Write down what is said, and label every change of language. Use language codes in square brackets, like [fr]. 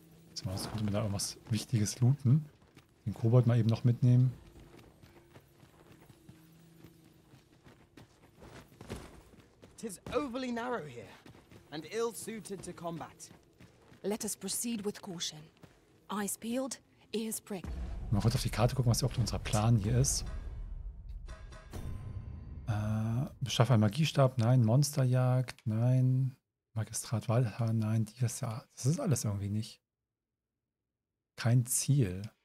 [de] Jetzt mal, sollte man da irgendwas Wichtiges looten. Den Kobold mal eben noch mitnehmen. [en] It is overly narrow here, and ill-suited to combat. Let us proceed with caution. Eyes peeled, ears pricked. [de] Mal kurz auf die Karte gucken, was überhaupt unser Plan hier ist. Beschaffe einen Magiestab, nein. Monsterjagd, nein. Magistrat Walha, nein. Dieses Jahr, das ist alles irgendwie nicht. Kein Ziel.